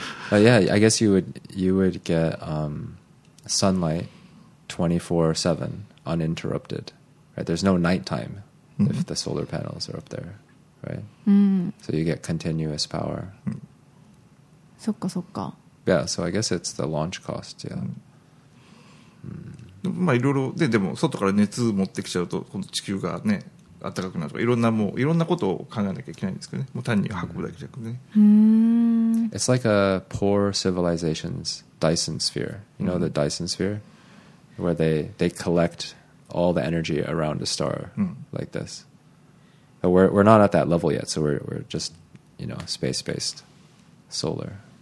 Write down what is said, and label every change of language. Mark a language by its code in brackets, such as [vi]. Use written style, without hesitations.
[en] But yeah, I guess you would get sunlight 24/7 uninterrupted. Right? There's no nighttime if the solar panels are up there. Right. Mm. So you get continuous power. [ja] そっかそっか。 [en] Yeah, so I guess it's the launch cost. Yeah. Mm. [ja] Mm. まあいろいろででも外から熱持ってきちゃうと今度地球がね暖かくなるとかいろんなもういろんなことを考えなきゃいけないんですけどね。もう単に運ぶだけじゃなくね。 Mm. [en] It's like a poor civilization's Dyson sphere. You know the Dyson sphere, where they collect all the energy around a star like this. We're not at that level yet, so we're just, you know, space-based solar.